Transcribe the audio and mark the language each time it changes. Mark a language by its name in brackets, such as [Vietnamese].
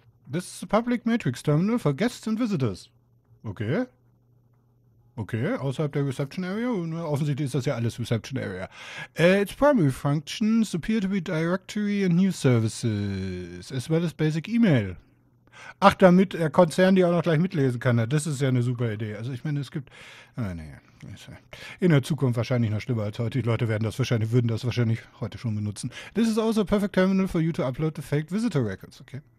[English] This is the Public Matrix Terminal for Guests and Visitors. [German] Okay. Okay, außerhalb der Reception Area. Und offensichtlich ist das ja alles Reception Area. [English] Its primary functions appear to be directory and news services, as well as basic email. [German] Ach, damit der Konzern die auch noch gleich mitlesen kann. Ja, das ist ja eine super Idee. Also ich meine, es gibt. Ah, nee. In der Zukunft wahrscheinlich noch schlimmer als heute. Die Leute würden das wahrscheinlich heute schon benutzen. [English] This is also a perfect terminal for you to upload the fake visitor records, okay?